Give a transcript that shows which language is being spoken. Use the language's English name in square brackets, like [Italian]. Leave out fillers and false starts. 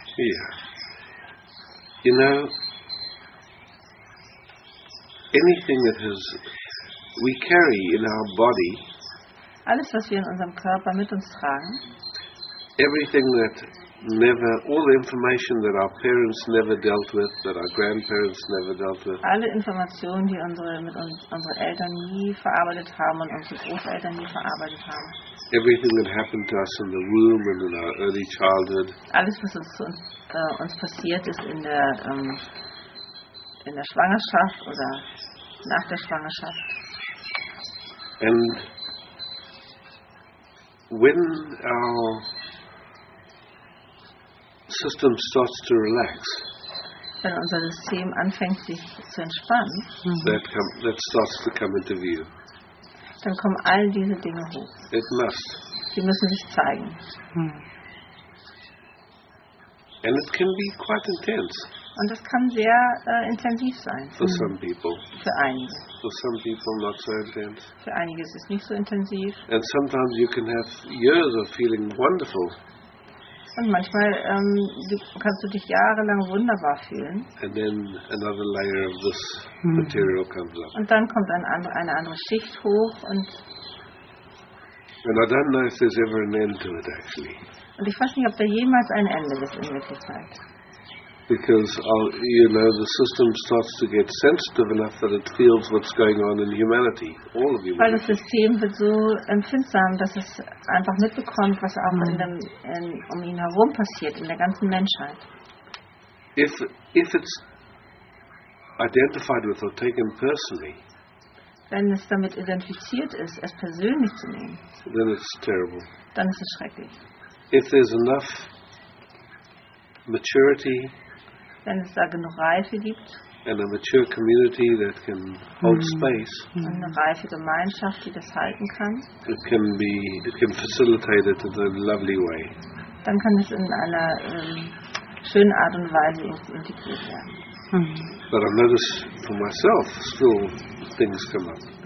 [English] Yeah. You know, anything that has we carry in our body, [German] alles was wir in unserem Körper mit uns tragen, [English] everything that never, all the information that our parents never dealt with, that our grandparents never dealt with, [German] alle Informationen, die unsere mit uns unsere Eltern nie verarbeitet haben und unsere Großeltern nie verarbeitet haben, [English] everything that happened to us in the womb and in our early childhood, [German] alles was uns uns passiert ist in der in der Schwangerschaft oder nach der Schwangerschaft. [English] And when our system starts to relax, [German] wenn unser System anfängt sich zu entspannen, [English] that starts to come into view, [German] dann kommen all diese Dinge hoch. [English] It must. [German] Die müssen sich zeigen. [English] And it can be quite intense. [German] Und das kann sehr intensiv sein. [English] For some people. [German] Für einige. [English] For some people not so intense. [German] Für einige ist es nicht so intensiv. [English] And sometimes you can have years of feeling wonderful. [German] Und manchmal kannst du dich jahrelang wunderbar fühlen. [English] And then another layer of this material comes up. [German] Und dann kommt eine andere Schicht hoch und. [English] And I don't know if there's ever an end to it actually. [German] Und ich weiß nicht, ob da jemals ein Ende ist in Wirklichkeit. [English] Because you know, the system starts to get sensitive enough that it feels what's going on in humanity, all of humanity. [German] Weil das System wird so empfindsam, dass es einfach mitbekommt, was auch um ihn herum passiert, in der ganzen Menschheit. [English] If it's identified with or taken personally, [German] wenn es damit identifiziert ist, es persönlich zu nehmen, [English] then it's terrible. [German] Dann ist es schrecklich. [English] If there's enough maturity, [German] wenn es da genug Reife gibt, [English] and a mature community that can hold space, [German] und eine reife Gemeinschaft, die das halten kann, [English] it can facilitate it in a lovely way. [German] Dann kann es in einer schönen Art und Weise integriert werden. [English] But I notice for myself still things come up.